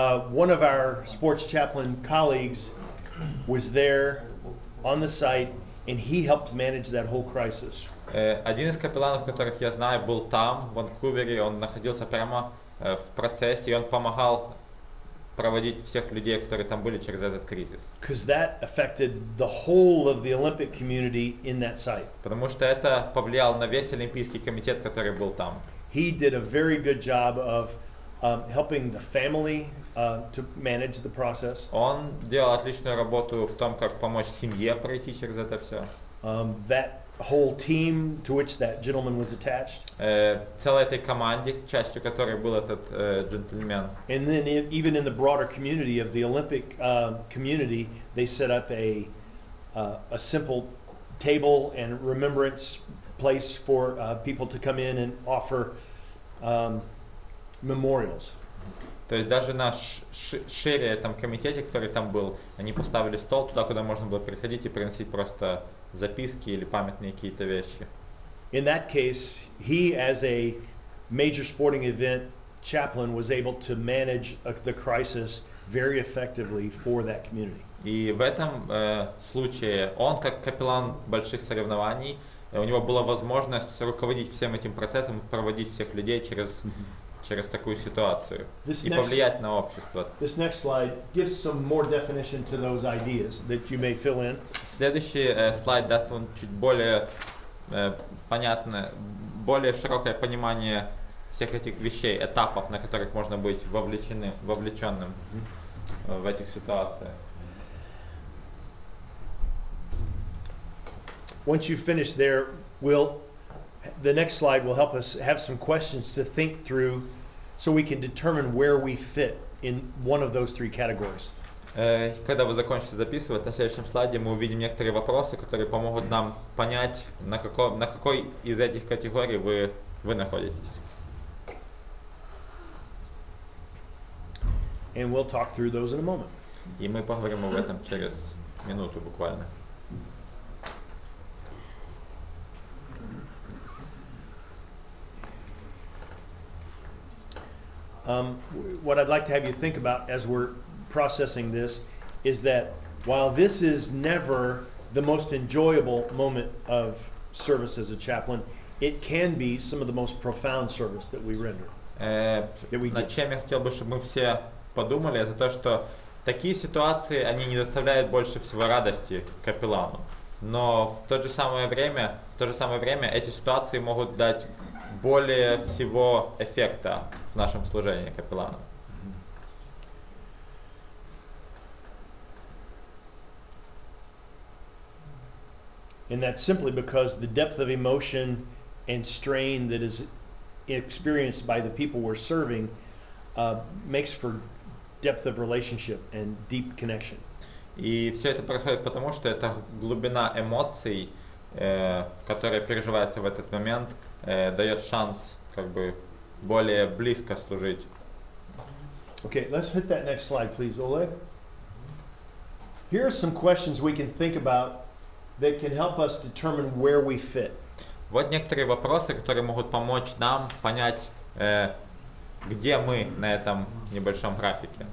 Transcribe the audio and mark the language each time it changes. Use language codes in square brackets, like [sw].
[en] One of our sports chaplain colleagues was there on the site, and he helped manage that whole crisis. [ru] Один из капелланов, которых я знаю, был там, в Ванкувере, он находился прямо в процессе, и он помогал проводить всех людей, которые там были, через этот кризис. [en] Because that affected the whole of the Olympic community in that site. [ru] Потому что это повлияло на весь Олимпийский комитет, который был там. [en] He did a very good job of helping the family to manage the process. [ru] Он делал отличную работу в том, как помочь семье пройти через это все. [en] That whole team to which that gentleman was attached. [ru] Целой этой команде, частью которой был этот джентльмен. [en] And then even in the broader community of the Olympic community, they set up a simple table and remembrance place for people to come in and offer memorials. [ru] То есть даже на шире этом комитете, который там был, они поставили стол туда, куда можно было приходить и приносить просто записки или памятные какие-то вещи. [en] In that case, he, as a major sporting event chaplain, was able to manage the crisis very effectively for that community. [ru] И в этом случае он, как капеллан больших соревнований, у него была возможность руководить всем этим процессом, проводить всех людей через через такую ситуацию [en] this [ru] и повлиять на общество. [en] This next slide gives some more definition to those ideas that you may fill in. [ru] Следующий слайд даст вам чуть более понятное, более широкое понимание всех этих вещей, этапов, на которых можно быть вовлеченным в этих ситуациях. [en] Once you finish there, the next slide will help us have some questions to think through, so we can determine where we fit in one of those three categories. [ru] Когда вы закончите записывать, на следующем слайде мы увидим некоторые вопросы, которые помогут нам понять, на какой из этих категорий вы находитесь. [en] And we'll talk through those in a moment. [ru] И мы поговорим об этом через минуту буквально. [en] What I'd like to have you think about as we're processing this is that while this is never the most enjoyable moment of service as a chaplain, it can be some of the most profound service that we render. [ru] Над чем я хотел бы, чтобы мы все подумали, это то, что такие ситуации, они не доставляют больше всего радости капеллану. Но в то же самое время эти ситуации могут дать более всего эффекта в нашем служении капеллана. [en] And that's simply because the depth of emotion and strain that is experienced by the people we're serving makes for depth of relationship and deep connection. [ru] И все это происходит потому, что это глубина эмоций, которая переживается в этот момент, дает шанс как бы более близко служить. [en] Okay, let's hit that next slide, please, Oleg. Here are some questions we can think about that can help us determine where we fit. [ru] Вот некоторые вопросы, которые могут помочь нам понять, где мы на этом небольшом графике.